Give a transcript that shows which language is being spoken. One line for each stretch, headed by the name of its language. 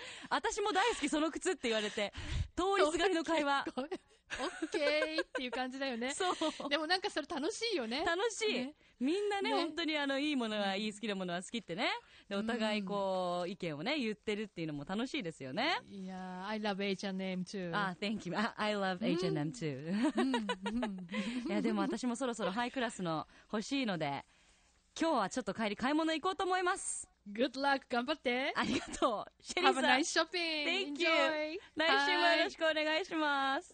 Japanese: 私も大好きその靴って言われて、通りすがりの会話オッケーっていう感じだよね。そう、でもなんかそれ楽しいよね。楽しい、ね、みんな ね本当にあのいいものはいい、好きなものは好きってね、でお互いこう意見をね言ってるっていうのも楽しいですよね。
English: いや、I love H&M too。ああ、Thank you。 I love H&M too。
Japanese: いやでも私もそろそろハイクラスの欲しいので、今日はちょっと帰り買い物行こうと思います。
English: Good luck、
Japanese: 頑張って。ありがとう、シェリーさん。
English: Have a nice shopping。 Thank you。
Japanese: 来週もよろしくお願いします。